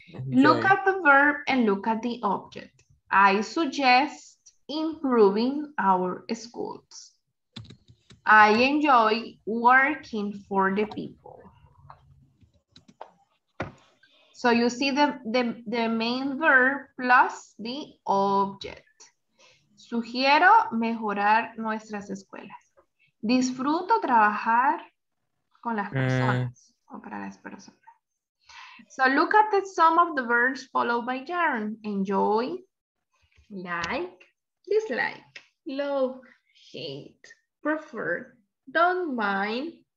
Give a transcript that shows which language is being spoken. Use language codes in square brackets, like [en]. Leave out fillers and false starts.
[en] Look at the verb and look at the object. I suggest improving our schools. I enjoy working for the people. So you see the main verb plus the object. [es] Sugiero mejorar nuestras escuelas. Disfruto trabajar con las personas o para las personas. [en] So look at some of the verbs followed by gerund. Enjoy, like, dislike, love, hate, prefer, don't mind.